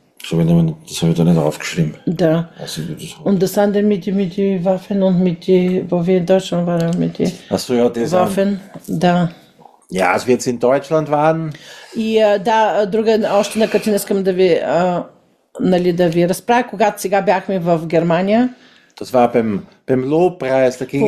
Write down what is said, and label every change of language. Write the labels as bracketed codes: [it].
[de] So, das habe ich da nicht aufgeschrieben. Da. Und das andere mit die Waffen und mit die, wo wir in Deutschland waren, mit die Ach so, ja, das Waffen. Da. Ja, als wir jetzt in Deutschland waren. Ja, da, [bg] друга, още на картина, искам да ви разправя, когато сега бяхме в Германия. [de] Das war beim Lobpreis, da ging